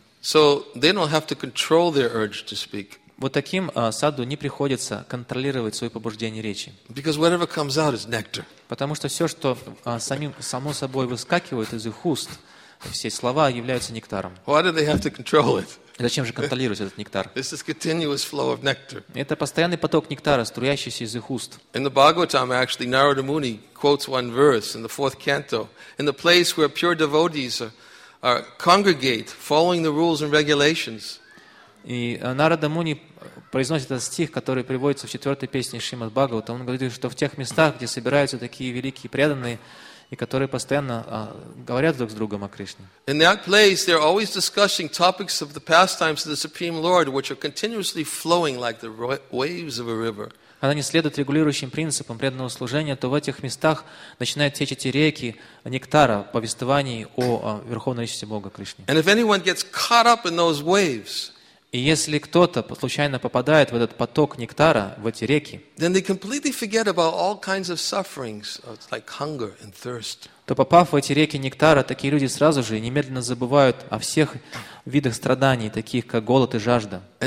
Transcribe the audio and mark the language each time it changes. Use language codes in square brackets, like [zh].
[en] So they don't have to control their urge to speak. [ru] Вот таким саду не приходится контролировать свои побуждения речи. [en] Because whatever comes out is nectar. [ru] Потому что все, что само собой выскакивает из их уст, все слова являются нектаром. [en] Why do they have to control it? [ru] Зачем же контролировать этот нектар? [en] This is continuous flow of nectar. [ru] Это постоянный поток нектара, струящийся из их уст. [en] In the Bhagavatam, actually, Narada Muni quotes one verse in the 4th canto, in the place where pure devotees are congregate, following the rules and regulations. [ru] И Нарада Муни произносит этот стих, который приводится в 4-й песне Шримад Бхагавата. Он говорит, что в тех местах, где собираются такие великие преданные, и которые постоянно говорят друг с другом о Кришне. [en] In that place, they're always discussing topics of the pastimes of the Supreme Lord, which are continuously flowing like the waves of a river. [ru] когда не следует регулирующим принципам преданного служения, то в этих местах начинают течь эти реки нектара, повествований о Верховной Личности Бога Кришне. И если кто-то случайно попадает в этот поток нектара, в эти реки, то попав в эти реки нектара, такие люди сразу же немедленно забывают о всех видах страданий, таких как голод и жажда.